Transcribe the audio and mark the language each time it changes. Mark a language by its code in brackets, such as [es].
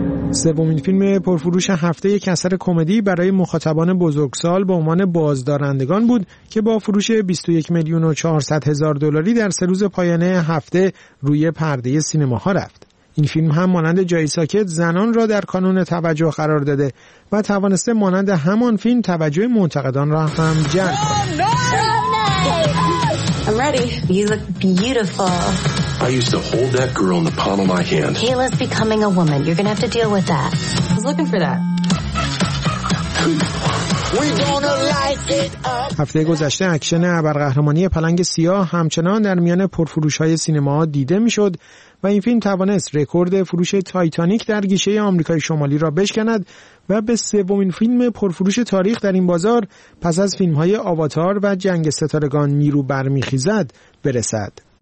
[fa] سومین فیلم پرفروش هفته یک اثر کمدی برای مخاطبان بزرگسال به عنوان بازدارندگان بود که با فروش 21 میلیون و 400 هزار دلاری در 3 روز پایانه هفته روی پرده سینماها رفت. این فیلم هم مانند جای ساکت زنان را در کانون توجه قرار داده و توانسته مانند همان فیلم توجه منتقدان را هم جلب کند. [en] I used to hold that girl in the palm of my hand. Kayla's becoming a woman. You're gonna have to deal with that. I was looking for that. [fa] هفته گذشته اکشن ابرقهرمانی پلنگ سیاه همچنان در میان پرفروش‌های سینما دیده می‌شد و این فیلم توانست رکورد فروش تایتانیک در گیشه آمریکای شمالی را بشکند و به سومین فیلم پرفروش تاریخ در این بازار پس از فیلم‌های آواتار و جنگ ستارگان نیرو برمی‌خیزد برسد.